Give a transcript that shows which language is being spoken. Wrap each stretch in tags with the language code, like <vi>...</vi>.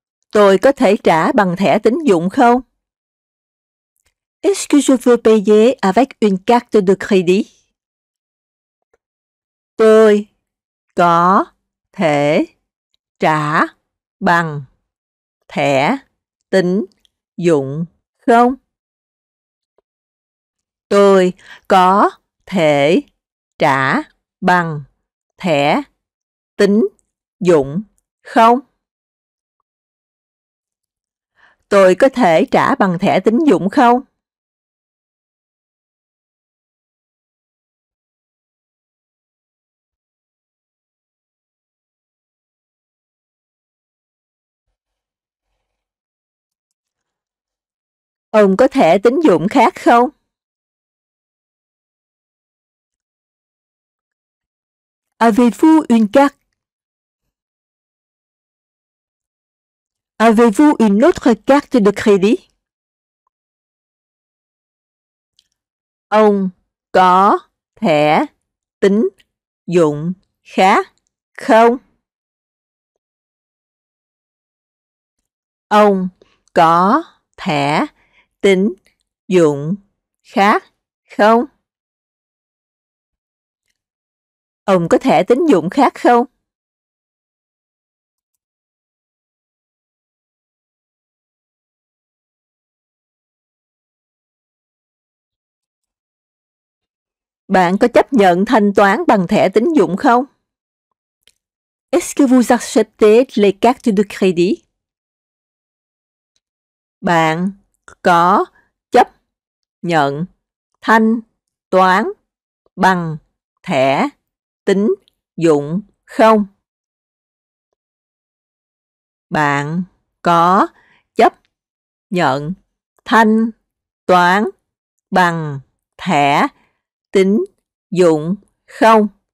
<vi>Tôi có thể trả bằng thẻ tín dụng không?</vi> <fr>Est-ce que je peux payer avec une carte de crédit?</fr> <vi>Tôi có thể trả bằng thẻ tín dụng không? Tôi có thể trả bằng thẻ tín dụng không? Tôi có thể trả bằng thẻ tín dụng không? Ông có thẻ tín dụng khác không?</vi> <fr>Avez-vous une carte? Avez-vous une autre carte de crédit?</fr> <vi>Ông có thẻ tín dụng khác không? Ông có thẻ tín dụng khác không? Ông có thẻ tín dụng khác không? Bạn có chấp nhận thanh toán bằng thẻ tín dụng không?</vi> <fr>Est-ce que vous acceptez les cartes de crédit?</fr> <vi>Bạn có chấp nhận thanh toán bằng thẻ tín dụng không? Bạn có chấp nhận thanh toán bằng thẻ tín dụng không?</vi>